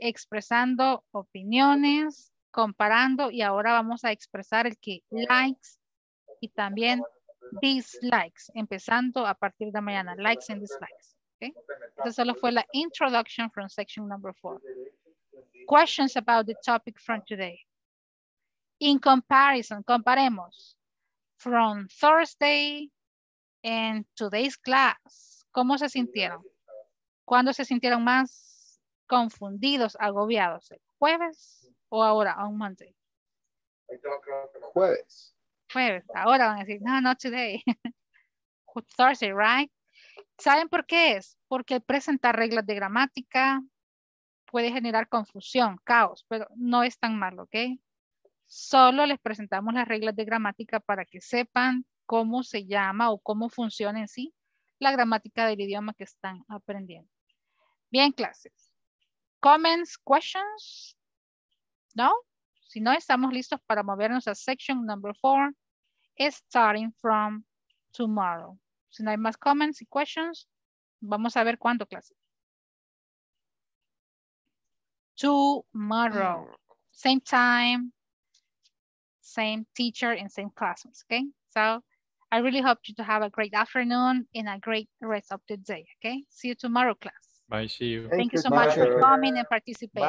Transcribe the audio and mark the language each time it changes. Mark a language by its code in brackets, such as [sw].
[es] Expresando opiniones, comparando, y ahora vamos a expresar el que likes y también dislikes, empezando a partir de mañana, [en] likes and dislikes. Okay. [es] Esto solo fue la [en] introduction from section number 4. Questions about the topic from today. In comparison, [es] comparemos. [en] from Thursday and today's class. [es] ¿Cómo se sintieron? ¿Cuándo se sintieron más confundidos, agobiados? ¿El jueves o ahora, [en] on Monday? [es] Jueves. Jueves, ahora van a decir, [en] no, not today. Thursday, right? [es] ¿Saben por qué es? Porque presenta reglas de gramática, puede generar confusión, caos, pero no es tan malo, ¿ok? Solo les presentamos las reglas de gramática para que sepan cómo se llama o cómo funciona en sí la gramática del idioma que están aprendiendo. Bien, clases. [en] Comments, questions? [es] No? Si no, estamos listos para movernos a [en] section number 4, starting from tomorrow. [es] Si no hay más [en] comments y questions, [es] vamos a ver cuándo, clases. [en] Tomorrow. Same time, same teacher and same classmates, okay? So I really hope you to have a great afternoon and a great rest of the day, okay? See you tomorrow, class. Bye, see you. Thank you so much for coming and participating.